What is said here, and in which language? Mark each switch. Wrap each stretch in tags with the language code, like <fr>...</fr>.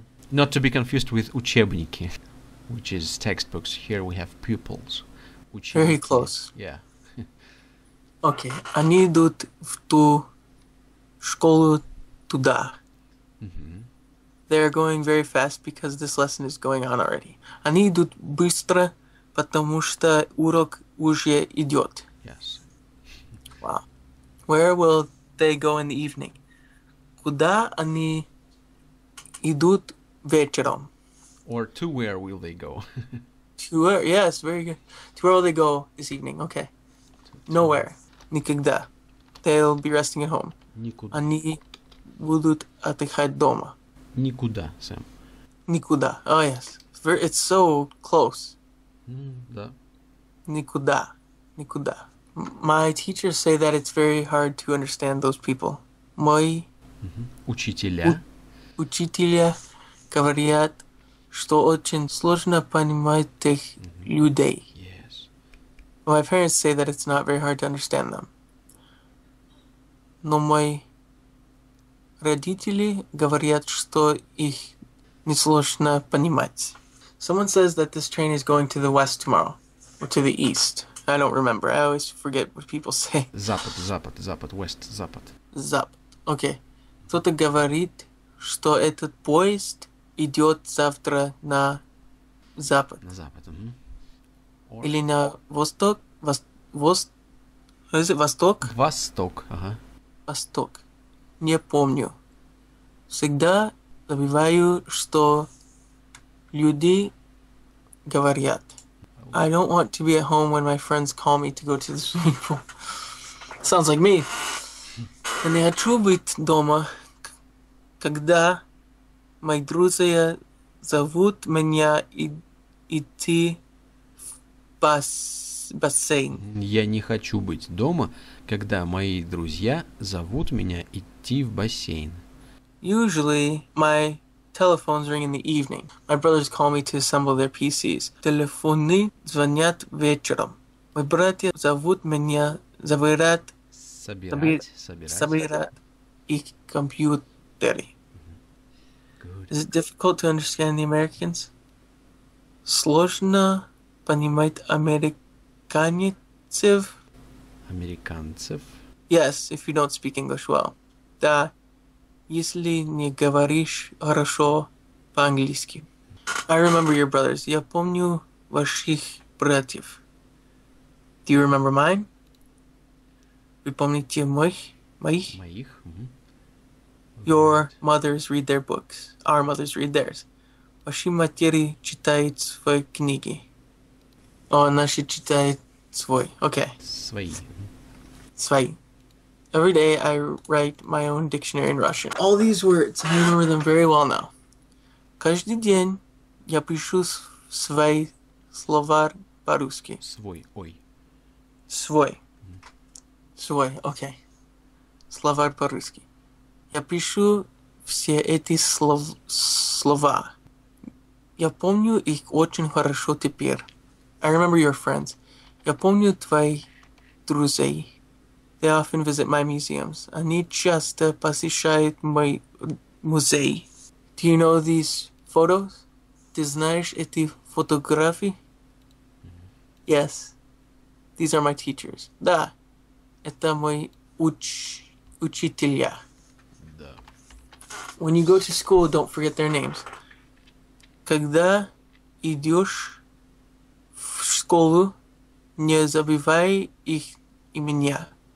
<en>Not to be confused with учебники, which is textbooks. Here we have pupils. Ученики. Very close. Yeah.</en> <ru>Okay. Они идут в ту школу туда.</ru> <en>They're going very fast because this lesson is going on already.</en> <ru>Они идут быстро, потому что урок уже идет.</ru> <en>Yes. Wow. Where will they go in the evening?</en> <ru>Куда они идут вечером?</ru> <en>Or to where will they go? To where? Yes, very good. To where will they go this evening? Okay. Nowhere. Никогда. They'll be resting at home.</en> <ru>Никуда. Они будут отдыхать дома. Никуда, Сэм. Никуда.</ru> <en>Oh, yes. It's so close.</en> <ru>Да. Никуда. Никуда.</ru> <en>My teachers say that it's very hard to understand those people.</en> <ru>Мои учителя. Учителя говорят, что очень сложно понимать тех людей.</ru> <en>Yes. My parents say that it's not very hard to understand them.</en> <ru>Но мои родители говорят, что их несложно понимать.</ru> <en>Someone says that this train is going to the west tomorrow, or to the east. I don't remember. I always forget what people say.</en> <ru>Запад, запад, запад, west, запад. Запад. Okay. Кто-то говорит, что этот поезд идет завтра на запад. На запад.</ru> <en>Or...</en> <ru>Или на восток.</ru> <en>Is it</en> <ru>восток? Восток. Восток. Не помню. Всегда забываю, что люди говорят.</ru> <en>I don't want to be at home when my friends call me to go to the swimming pool. Sounds like me.</en> <ru>Не хочу быть дома, когда мои друзья зовут меня идти в бассейн. Я не хочу быть дома, когда мои друзья зовут меня идти в бассейн.</ru> <en>Usually, my telephones ring in the evening. My brothers call me to assemble their PCs.</en> <ru>Телефоны звонят вечером. Мои братья зовут меня собирать их компьютеры.</ru> <en>Good. Is it difficult to understand the Americans?</en> <ru>Сложно понимать американцев? Американцев?</ru> <en>Yes, if you don't speak English well.</en> <ru>Да. Если не говоришь хорошо по-английски.</ru> <en>I remember your brothers.</en> <ru>Я помню ваших братьев.</ru> <en>Do you remember mine?</en> <ru>Вы помните моих? Моих.</ru> <en>Your mothers read their books. Our mothers read theirs.</en> <ru>ваши матери читают свои книги. О, наши читают свой. Okay. Свои. Свои.</ru> <en>Every day I write my own dictionary in Russian. All these words, I remember them very well now.</en> <ru>Каждый день я пишу свой словарь по-русски. Свой, ой. Свой. Свой, okay. Словарь по-русски. Я пишу все эти слова. Я помню их очень хорошо теперь.</ru> <en>I remember your friends.</en> <ru>Я помню твои друзей.</ru> <en>They often visit my museums.</en> <ru>Они часто посещают мой музей.</ru> <en>Do you know these photos?</en> <ru>Ты знаешь эти фотографии?</ru> <en>Yes. These are my teachers.</en> <ru>Да. Это мой учителя.</ru> <en>When you go to school, don't forget their names.</en> <ru>Когда идешь в школу, не забывай их имена.</ru>